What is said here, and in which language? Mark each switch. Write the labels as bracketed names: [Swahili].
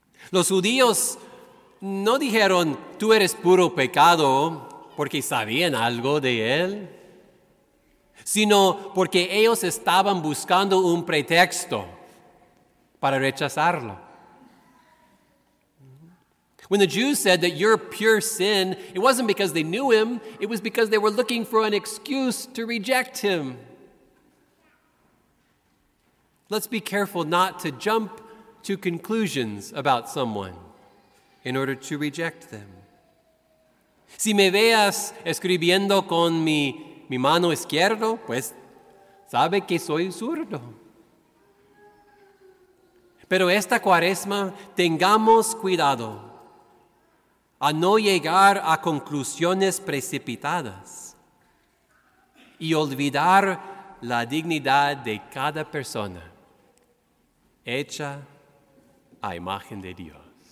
[Spanish] Los judíos no dijeron, tú eres puro pecado, porque sabían algo de él, sino porque ellos estaban buscando un pretexto para rechazarlo. [English] When the Jews said that you're pure sin, it wasn't because they knew him, it was because they were looking for an excuse to reject him. Let's be careful not to jump to conclusions about someone in order to reject them. [Spanish] Si me veas escribiendo con mi mano izquierda, pues sabe que soy zurdo. Pero esta cuaresma, tengamos cuidado a no llegar a conclusiones precipitadas y olvidar la dignidad de cada persona. Hecha a imagen de Dios.